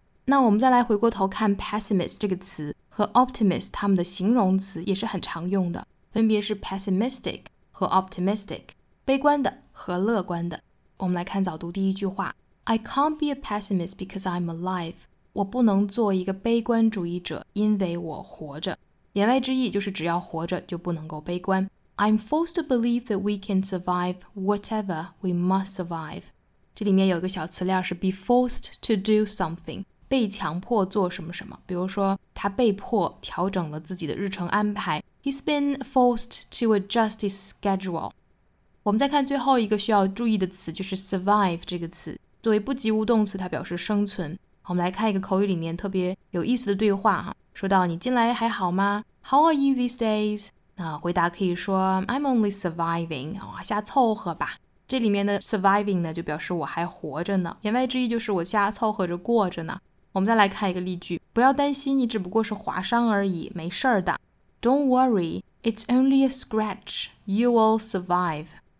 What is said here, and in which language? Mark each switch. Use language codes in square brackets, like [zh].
[zh] 那我们再来回过头看 pessimist 这个词和 optimist， 他们的形容词也是很常用的，分别是 pessimistic 和 optimistic， 悲观的和乐观的。我们来看早读第一句话， [en] I can't be a pessimist because I'm alive， [zh] 我不能做一个悲观主义者因为我活着。言外之意就是只要活着就不能够悲观。 [en] I'm forced to believe that we can survive whatever we must survive。 [zh] 这里面有一个小词料是 [en] be forced to do something， [zh] 被强迫做什么什么，比如说他被迫调整了自己的日程安排， [en] He's been forced to adjust his schedule。 [zh] 我们再看最后一个需要注意的词，就是 survive 这个词，作为不及物动词它表示生存。我们来看一个口语里面特别有意思的对话哈，说到你近来还好吗？ [en] How are you these days? [zh] 那回答可以说 [en] I'm only surviving， [zh] 瞎凑合吧。这里面的 surviving 呢，就表示我还活着呢，言外之意就是我瞎凑合着过着呢。我们再来看一个例句，不要担心，你只不过是划伤而已，没事的。 [en] Don't worry, it's only a scratch, you will survive。